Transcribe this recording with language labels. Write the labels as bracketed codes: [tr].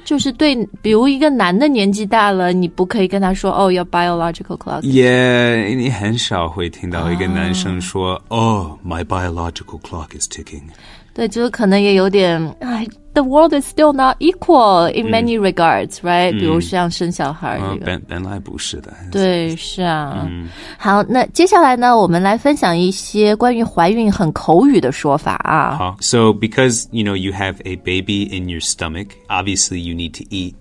[zh] 就是对，比如一个男的年纪大了，你不可以跟他说 [en] oh, your biological clock. [zh] Yeah, 你很少会听到一个男生说 [en] oh, my biological clock is ticking. [zh] 对，就是可能也有点哎。 [en] The world is still not equal in many regards, right? [zh] 比如像生小孩这个。本来不是的。对，是啊。好，那接下来呢，我们来分享一些关于怀孕很口语的说法啊。 [en] 好，so because, you know, you have a baby in your stomach, obviously you need to eat.